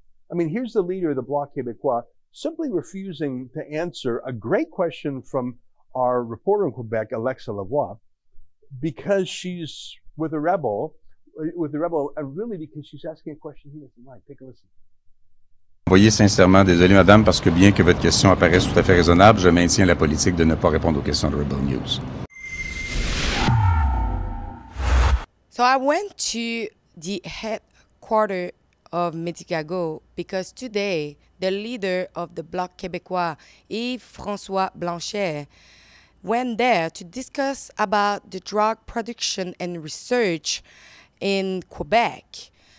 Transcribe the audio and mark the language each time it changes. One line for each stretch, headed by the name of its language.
English: I mean, here's the leader of the Bloc Québécois simply refusing to answer a great question from our reporter in Quebec, Alexa Lavoie, because she's with a rebel, and really because she's asking a question he doesn't like. Take a listen.
French: Voyez sincèrement, désolé madame, parce que bien que votre question apparaisse tout à fait raisonnable, je maintiens la politique de ne pas répondre aux questions de Rebel News.
English: So I went to the headquarters of Medicago because today the leader of the Bloc Québécois, Yves-François Blanchet, went there to discuss about the drug production and research in Quebec.